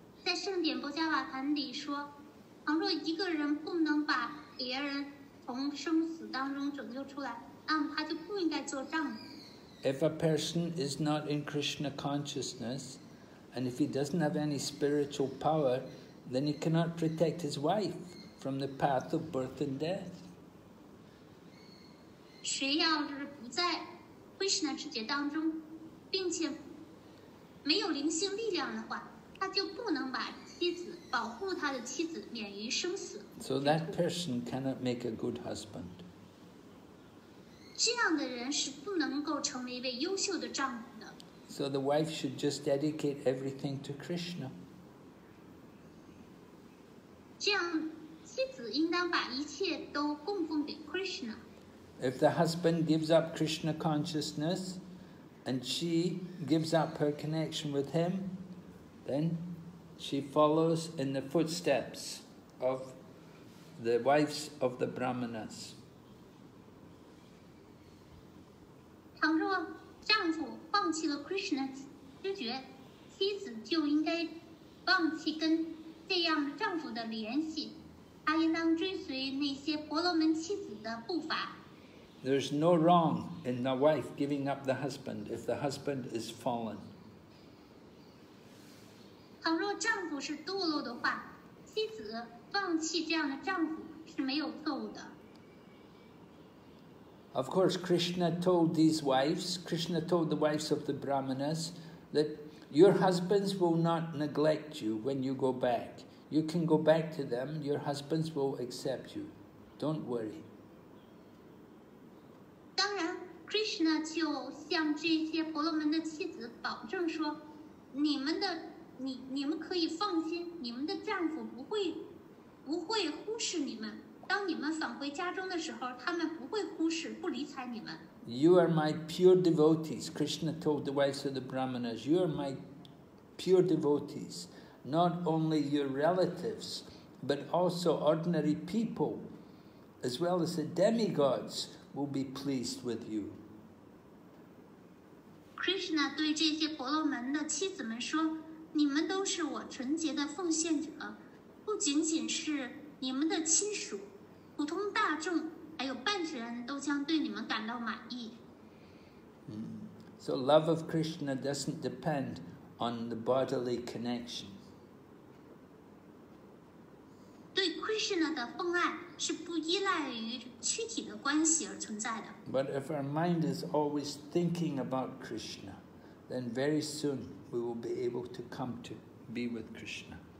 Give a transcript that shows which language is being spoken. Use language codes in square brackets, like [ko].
[zh] 在圣典波迦瓦坛里说，倘若一个人不能把别人从生死当中拯救出来，那么他就不应该做丈夫。 [en] If a person is not in Krishna consciousness, and if he doesn't have any spiritual power, then he cannot protect his wife from the path of birth and death. [zh] 谁要是不在 Krishna 世界当中，并且没有灵性力量的话，他就不能把妻子保护他的妻子免于生死。 [en] So that person cannot make a good husband. [zh] 这样的人是不能够成为一位优秀的丈夫的。 [en] So the wife should just dedicate everything to Krishna. [zh] 这样妻子应当把一切都供奉给 Krishna。 [en] If the husband gives up Krishna consciousness and she gives up her connection with him, then she follows in the footsteps of the wives of the brahmanas。 [zh] 倘若丈夫放弃了 Krishna 知觉，妻子就应该放弃跟这样丈夫的联系，她应当追随那些婆罗门妻子的步伐。 [en] There's no wrong in the wife giving up the husband if the husband is fallen。 [zh] 倘若丈夫是堕落的话，妻子放弃这样的丈夫是没有错误的。 [en] Of course, Krishna told these wives, Krishna told the wives of the brahmanas that your husbands will not neglect you when you go back. You can go back to them, your husbands will accept you. Don't worry. [zh] 当然 ,Krishna 就向这些婆罗门的妻子保证说，你们可以放心，你们的丈夫不会忽视你们。当你们返回家中的时候，他们不会忽视，不理睬你们。 [en] You are my pure devotees, Krishna told the wives of the brahmanas. You are my pure devotees. Not only your relatives, but also ordinary people, as well as the demigods, will be pleased with you. [zh] Krishna 对这些婆罗门的妻子们说，你们都是我纯洁的奉献者，不仅仅是你们的亲属，普通大众还有半神都将对你们感到满意。 [en] So love of Krishna doesn't depend on the bodily connection. [zh] 对 Krishna 的奉爱是不依赖于躯体的关系而存在的。 [en] But if our mind is always thinking about Krishna, then very soon we will be able to come to be with Krishna.